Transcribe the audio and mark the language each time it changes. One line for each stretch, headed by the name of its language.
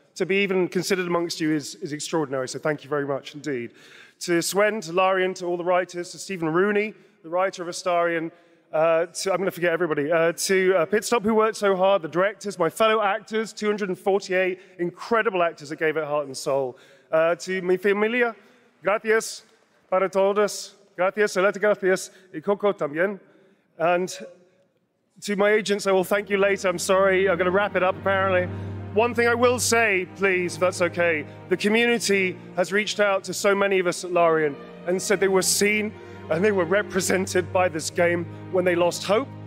English: To be even considered amongst you is extraordinary, so thank you very much indeed. To Sven, to Larian, to all the writers, to Stephen Rooney, the writer of Astarion, Pitstop, who worked so hard, the directors, my fellow actors, 248 incredible actors that gave it heart and soul.
Spanish: To mi familia, gracias para todos, gracias, salute, gracias, y coco también.
English: And to my agents, I will thank you later, I'm sorry, I'm gonna wrap it up apparently. One thing I will say, please, if that's okay, the community has reached out to so many of us at Larian and said they were seen and they were represented by this game when they lost hope.